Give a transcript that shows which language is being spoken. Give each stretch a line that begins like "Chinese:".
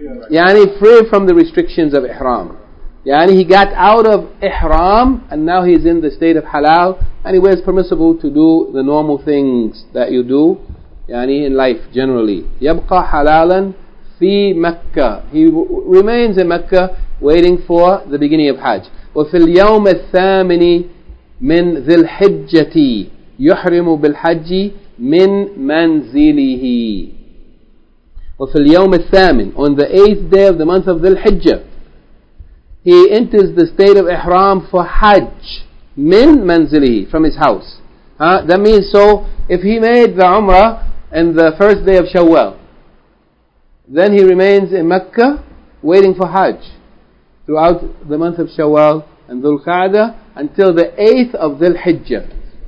English: Yani free from the restrictions of ihram. Yani he got out of ihram and now he's in the state of halal, and he wears permissible to do the normal things that you do, yani in life generally.
Arabic: Yabqa halalan fi Mecca.
English: He remains in Mecca waiting for the beginning of Hajj.
Arabic: وفي اليوم الثامن من ذي الحجة يحرم بالحج من منزله. وفي اليوم الثامن,
English: on the eighth day of the month of ذي الحجة, he enters the state of ihram for Hajj.
Arabic: min manzilihi,
English: from his house. That means, so if he made the Umrah in the first day of Shawwal, then he remains in Mecca waiting for Hajj throughout the month of Shawwal and Dhul Qa'dah until the 8th of Dhul Hijjah.